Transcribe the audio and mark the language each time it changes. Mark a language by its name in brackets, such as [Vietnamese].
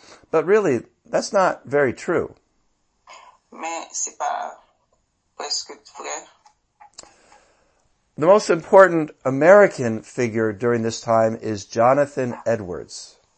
[English] But really, that's not very true. [French] Mais c'est pas presque vrai. [English] The most important American figure during this time is Jonathan Edwards.